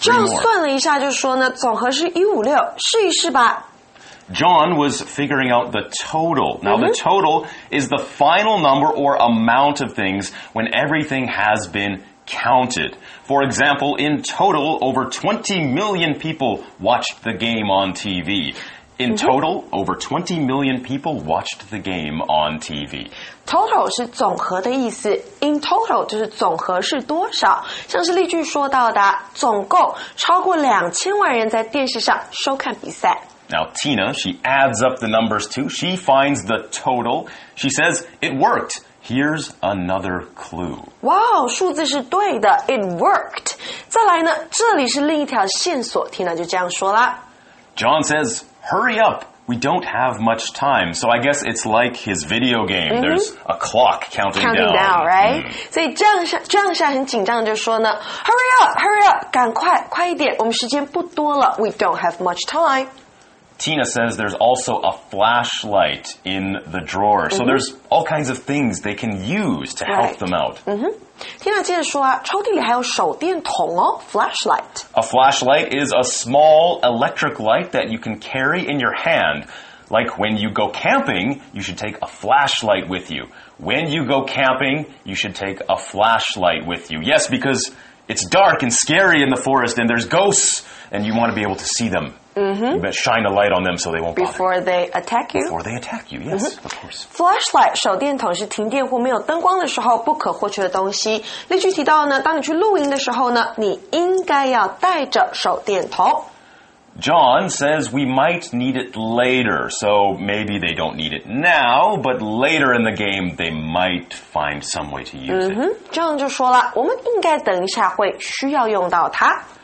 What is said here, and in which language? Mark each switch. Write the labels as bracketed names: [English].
[Chinese] 这样算了一下就说呢，总和是156，试一试吧。 [English] John was figuring out the total. Now, the total is the final number or amount of things when everything has been counted. For example, in total, over 20 million people watched the game on TV. In total, over 20 million people watched the game on TV. [Chinese] Total 是总和的意思 ,in total 就是总和是多少。像是例句说到的，总共超过2000万人在电视上收看比赛。 [English] Now, Tina, she adds up the numbers too. She finds the total. She says, it worked. Here's another clue. [Chinese] Wow, 数字是对的 , [English] it worked. [Chinese] 再来呢，这里是另一条线索 ,Tina 就这样说啦。 [English] John says,Hurry up, we don't have much time. So I guess it's like his video game. There's a clock counting down. Right? Mm. [Chinese] 所以张夏很紧张就说呢 [English] Hurry up, hurry up, [Chinese] 赶快快一点我们时间不多了 [English] We don't have much time. Tina says there's also a flashlight in the drawer. So there's all kinds of things they can use to help them out. [Chinese] Tina 接着说啊抽屉里还有手电筒哦 flashlight. [English] A flashlight is a small electric light that you can carry in your hand. Like when you go camping, you should take a flashlight with you. When you go camping, you should take a flashlight with you. Yes, because it's dark and scary in the forest and there's ghosts and you want to be able to see them. Mm-hmm. You shine a light on them so they won't bother. Before they attack you. Before they attack you, yes, of course. [Chinese] Flashlight, 手电筒是停电或没有灯光的时候不可或缺的东西。例句提到呢，当你去露营的时候呢，你应该要带着手电筒。 [English] John says we might need it later, so maybe they don't need it now, but later in the game, they might find some way to use it. [Chinese] John 就说了，我们应该等一下会需要用到它。